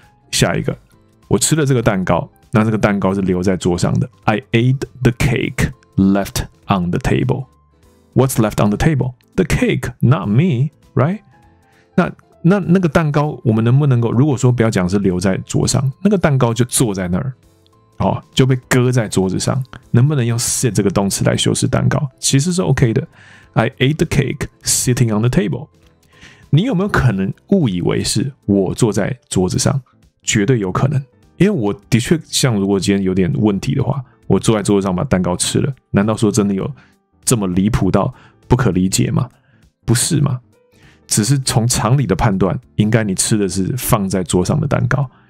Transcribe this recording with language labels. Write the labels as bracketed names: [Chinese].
[Chinese] 下一个，我吃了这个蛋糕，那这个蛋糕是留在桌上的。 [English] I ate the cake left on the table. What's left on the table? The cake, not me, right? [Chinese] 那个蛋糕我们能不能够，如果说不要讲是留在桌上，那个蛋糕就坐在那儿，就被搁在桌子上，能不能用 sit 这个动词来修饰蛋糕？其实是 OK 的。 [English] I ate the cake sitting on the table. [Chinese] 你有没有可能误以为是我坐在桌子上？绝对有可能，因为我的确像如果今天有点问题的话，我坐在桌子上把蛋糕吃了，难道说真的有这么离谱到不可理解吗？不是吗？只是从常理的判断，应该你吃的是放在桌上的蛋糕。